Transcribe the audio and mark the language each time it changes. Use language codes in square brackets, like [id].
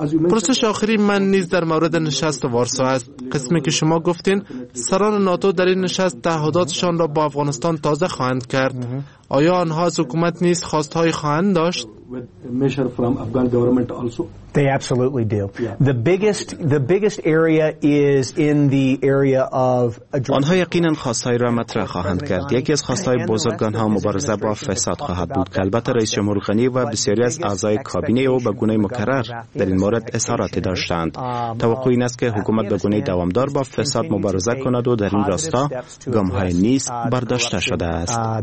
[fa] پرسش آخری من نیز در مورد نشست وارسا است. قسمی که شما گفتین سران ناتو در این نشست تعهداتشان را با افغانستان تازه خواهند کرد. آیا آنها از حکومت نیز خواستهایی خواهند داشت؟ [en] with measure from Afghan government also? They absolutely do. Yeah. The biggest area is in the area of [fa] آنها یقیناً خواستهای را مطرح خواهند کرد. یکی از خواستهای بزرگ آنها مبارزه با فساد خواهد بود که البته رئیس جمهور غنی و بسیاری از اعضای کابینه او به گونه مکرر در این مورد اظهارات داشتند. توقع این است که حکومت به گونه دوامدار با فساد مبارزه کند و در این راستا گامهای نیز برداشته شده است.